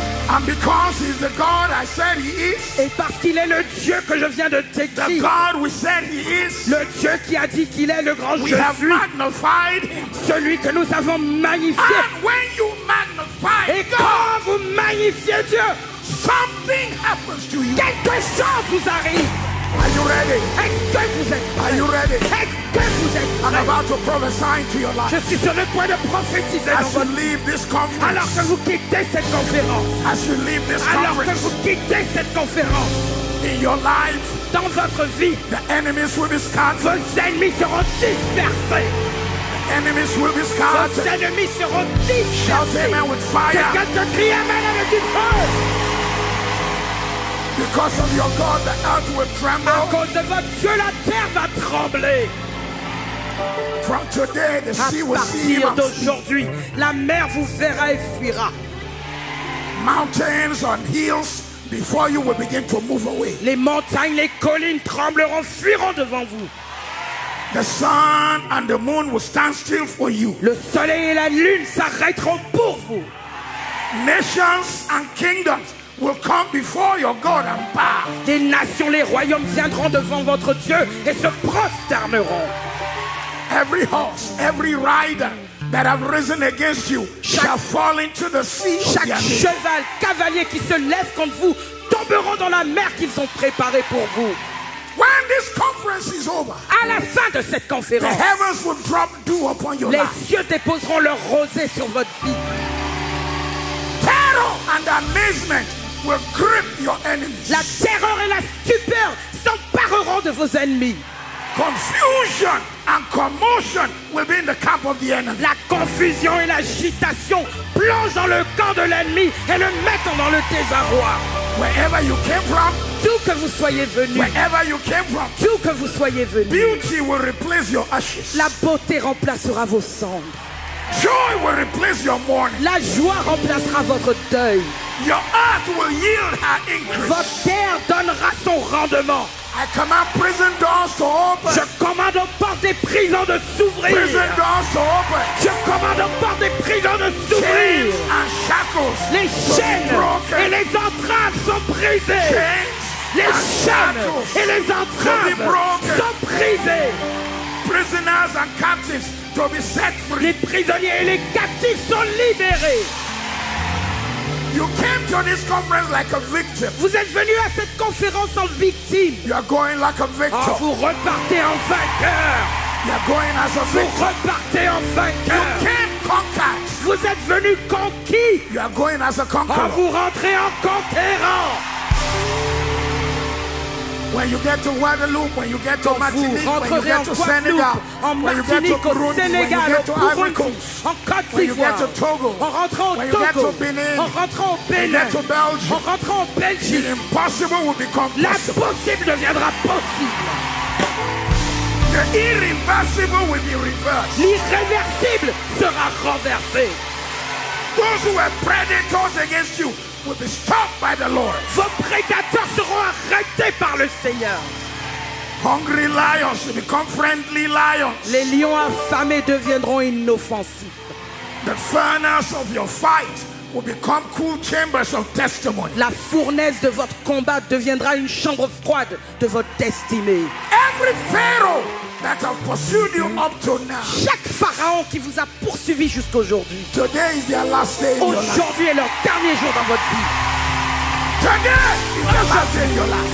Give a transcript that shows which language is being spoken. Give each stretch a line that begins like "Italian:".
English: And because he's the God I said he is.
French: Et parce qu'il est le Dieu que je viens de te dire.
English: The God we said he is.
French: Le Dieu qui a dit qu'il est le grand
English: we
French: je suis.
English: We have magnified him.
French: Celui que nous avons magnifié.
English: And when you magnify
French: et quand God, vous magnifiez Dieu,
English: something happens to you.
French: Quelque chose vous arrive.
English: Are you ready?
French: Est-ce que vous êtes prêt?
English: Are you ready?
French: Est-ce que vous êtes prêt?
English: I'm about to prophesy into your life.
French: Je suis sur le point de prophétiser.
English: As you leave this conference.
French: Alors que vous quittez cette conférence.
English: As you leave this
French: alors
English: conference.
French: Alors que vous quittez cette conférence.
English: In your life.
French: Dans votre vie.
English: The enemies will be scattered.
French: Vos ennemis seront dispersés.
English: The enemies will be scattered.
French: Vos ennemis seront dispersés.
English: Shout amen with fire.
French: Quelqu'un te crie amen avec du feu.
English: Because of your God, the earth will tremble.
French: À cause de votre Dieu, la terre va trembler.
English: From today, the sea will see him.
French: À partir d'aujourd'hui, la mer vous verra et fuira.
English: Mountains on hills before you will begin to move away.
French: Les montagnes, les collines trembleront, fuiront devant vous.
English: The sun and the moon will stand still for you.
French: Le soleil et la lune s'arrêteront pour vous.
English: Nations and kingdoms will come before your God and bow.
French: Les nations, les royaumes viendront devant votre Dieu et se prosterneront.
English: Every horse, every rider that have risen against you shall fall into the sea.
French: Chaque cheval, cavalier qui se lève contre vous tomberont dans la mer qu'ils ont préparée pour vous.
English: When this conference is over,
French: à la fin de cette conférence,
English: the heavens will drop dew upon your
French: les
English: life.
French: Cieux déposeront leur rosée sur votre vie.
English: Terror and amazement will grip your enemies.
French: La terreur et la stupeur s'empareront de vos ennemis.
English: Confusion and commotion will be in the camp of the enemy.
French: La confusion et l'agitation plongent dans le camp de l'ennemi et le mettent dans le désarroi.
English: Wherever you came from,
French: d'où que vous soyez venu,
English: wherever you came from,
French: d'où que vous soyez venu,
English: beauty will replace your ashes.
French: La beauté remplacera vos cendres.
English: Joy will replace your mourning.
French: La joie remplacera votre deuil.
English: Your earth will yield her increase.
French: Votre terre donnera son rendement.
English: I command prison doors to open.
French: Je commande aux portes des prisons de s'ouvrir.
English: Prison doors to open.
French: Je commande aux portes des prisons de s'ouvrir.
English: Chains and shackles.
French: Les chaînes
English: broken.
French: Et les entraves sont brisées.
English: Chains
French: les chaînes et les entraves sont brisées.
English: Prisoners and captives to be set free.
French: Les prisonniers et les captifs sont libérés.
English: You came to this conference like a victim.
French: Vous êtes venu à cette conférence en victime.
English: You are going like a victor.
French: Oh, vous repartez en vainqueur.
English: You are going as a victor.
French: Vous repartez en vainqueur.
English: You came conquered.
French: Vous êtes venu conquis.
English: You are going as a conqueror.
French: Oh, vous rentrez en conquérant.
English: When you get to Guadeloupe, when you get to Martinique, when you get to
French: Sénégal,
English: when you get to Burundi, when you get to Ivory Coast, when you get to Togo, when you get to Benin, when you get to Belgium, the impossible will become possible.
French: L'impossible deviendra possible.
English: The irreversible will be reversed.
French: L'irréversible sera renversé.
English: Those who were predators against you will be stopped by the Lord.
French: Vos prédateurs seront arrêtés par le Seigneur.
English: Hungry lions will become friendly lions.
French: Les lions affamés deviendront inoffensifs.
English: The furnace of your fight will become cool chambers of testimony.
French: La fournaise de votre combat deviendra une chambre froide de votre destinée.
English: Every pharaoh that have pursued you up to now.
French: Chaque pharaon qui vous a poursuivi jusqu'aujourd'hui.
English: Today is their last day in your life.
French: Aujourd'hui est leur dernier jour dans votre vie.
English: Today is their last day in your life.